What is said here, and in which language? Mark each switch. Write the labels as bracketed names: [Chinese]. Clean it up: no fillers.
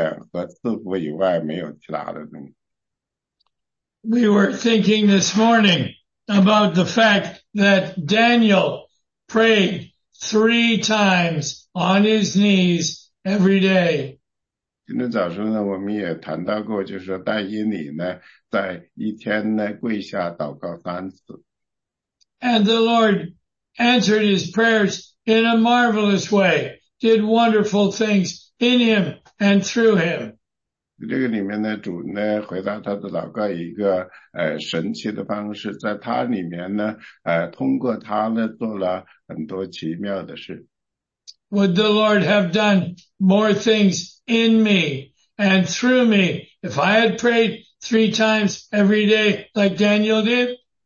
[Chinese] 我们祷告的越多呢，我们得越接近呢，他的那个旨意。我他的旨意呢，除了就是说是整个的恩典和赐福以外，没有其他的东西。 [English] We were thinking this morning about the fact that Daniel prayed 3 times on his knees every day. [Chinese] 今天早上呢，我们也谈到过，就是说但以理呢，在一天呢跪下祷告3次。 [English] And the Lord answered his prayers in a marvelous way, did wonderful things in him and through him. [Chinese] 这个里面呢，主呢回答他的祷告一个神奇的方式，在他里面呢，通过他呢做了很多奇妙的事。 [English] Would the Lord have done more things in me and through me if I had prayed 3 times every day like Daniel did?